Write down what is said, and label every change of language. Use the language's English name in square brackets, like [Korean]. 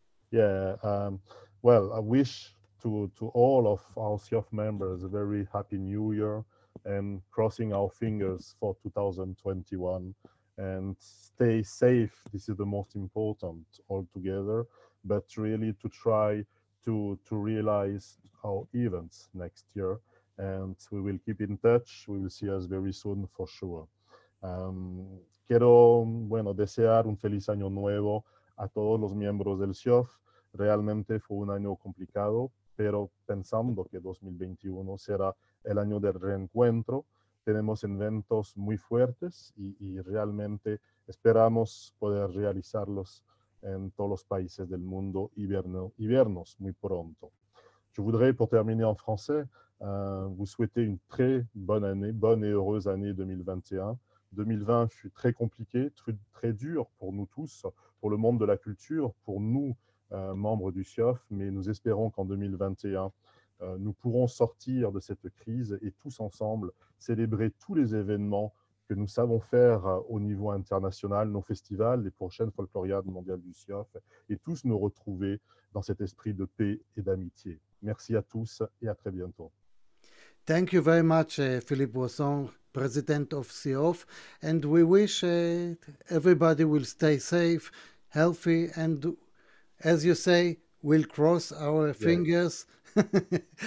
[English] Yeah, well, I wish to all of our CIOFF members a very happy new year, and crossing our fingers for 2021. And stay safe, this is the most important altogether, but really to try to realize our events next year. And we will keep in touch, we will see us very soon for sure. [Spanish] Quiero, bueno, desear un feliz año nuevo a todos los miembros del CIOFF. Realmente fue un año complicado, pero pensando que 2021 será el año del reencuentro, tenemos eventos muy fuertes y realmente esperamos poder realizarlos en todos los países del mundo y vernos muy pronto. [French] Je voudrais, pour terminer en français, vous souhaiter une très bonne année, bonne et heureuse année 2021. 2020 fut très compliqué, très dur pour nous tous, pour le monde de la culture, pour nous, membres du CIOFF, mais nous espérons qu'en 2021, nous pourrons sortir de cette crise et tous ensemble célébrer tous les événements que nous savons faire au niveau international, nos festivals, les prochaines Folkloriades mondiales du CIOFF, et tous nous retrouver dans cet esprit de paix et d'amitié. Merci à tous et à très bientôt. [English] Thank you very much, Philippe Beaussant, President of CIOFF, and we wish everybody will stay safe, healthy, and as you say, we'll cross our fingers. Yeah.